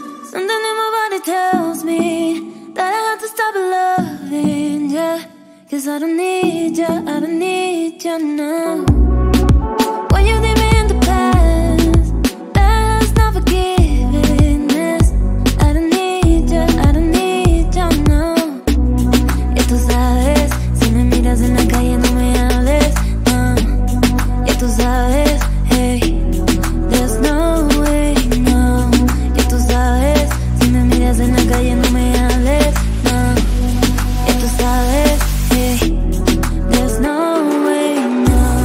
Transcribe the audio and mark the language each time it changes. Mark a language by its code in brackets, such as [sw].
[en] Something in my body tells me that I have to stop loving ya, cause I don't need ya, I don't need ya, no. What you did me in the past, that's not forgiveness. I don't need ya, I don't need ya, no. [es] Y tú sabes, si me miras en la calle no me hables, no. Y tú sabes, [en] hey, there's no way, no. [es] Y tú sabes, si me miras en la calle no me hables, no. Y tú sabes, [en] hey, there's no way, no.